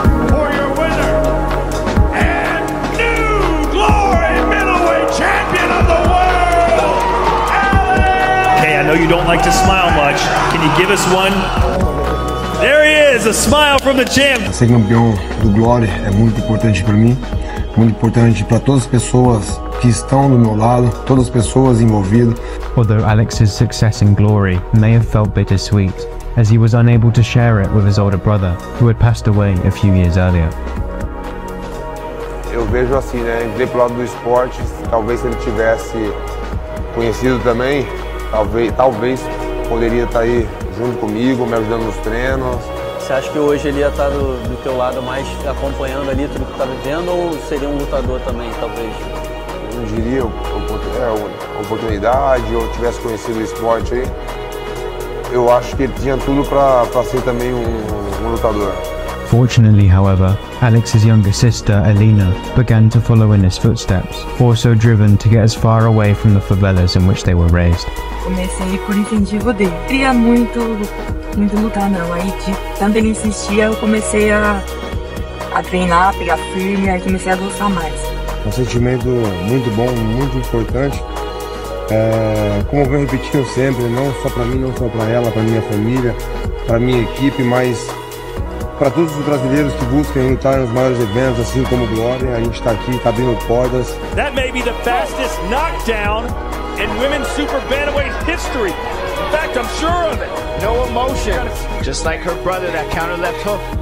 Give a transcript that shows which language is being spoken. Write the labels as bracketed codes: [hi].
[en] For your winner and new Glory Middleweight Champion of the World, Alex! Hey, I know you don't like to smile much. Can you give us one? There he is, a smile from the champ. [pt] Ser campeão do Glory é muito importante para mim. Muito importante para todas as pessoas que estão do meu lado, todas as pessoas envolvidas. [en] Although Alex's success in Glory may have felt bittersweet, as he was unable to share it with his older brother, who had passed away a few years earlier. [pt] Eu vejo assim, né? Ver pro lado do esporte, talvez se ele tivesse conhecido também, talvez poderia estar aí junto comigo, me ajudando nos treinos. Você acha que hoje ele ia estar do teu lado mais acompanhando ali tudo que está vivendo ou seria um lutador também, talvez? Eu não diria oportunidade ou tivesse conhecido o esporte aí. Eu acho que ele tinha tudo para ser também um lutador. [en] Fortunately, however, Alex's younger sister, Alina, began to follow in his footsteps, also driven to get as far away from the favelas in which they were raised. [pt] Comecei por incentivo dele. Queria muito lutar, não. Aí, tanto ele insistia, eu comecei a treinar, a pegar firme, aí comecei a gostar mais. Um sentimento muito bom, muito importante. É, como eu venho repetindo sempre, não só para mim, não só para ela, para minha família, para minha equipe, mas para todos os brasileiros que buscam lutar nos maiores eventos, assim como Glory, a gente está aqui, está abrindo portas. [en] That may be the fastest knockdown in women's super bantamweight history. In fact, I'm sure of it. No emotion. Just like her brother, that counter left hook.